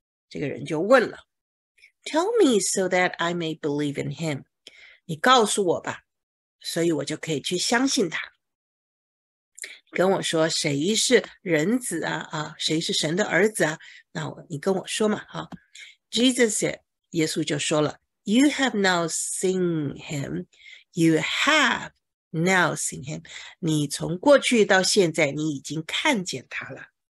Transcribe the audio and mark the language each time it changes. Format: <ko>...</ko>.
<zh>这个人就问了</zh> <en>Tell me so that I may believe in him.</en> <zh>你告诉我吧，所以我就可以去相信他。跟我说谁是人子啊，啊，谁是神的儿子啊，那你跟我说嘛。</zh> <en>啊、Jesus said,</en> <zh>耶稣就说了</zh> <en>You have now seen him. You have now seen him.</en> <zh>你从过去到现在你已经看见他了。</zh>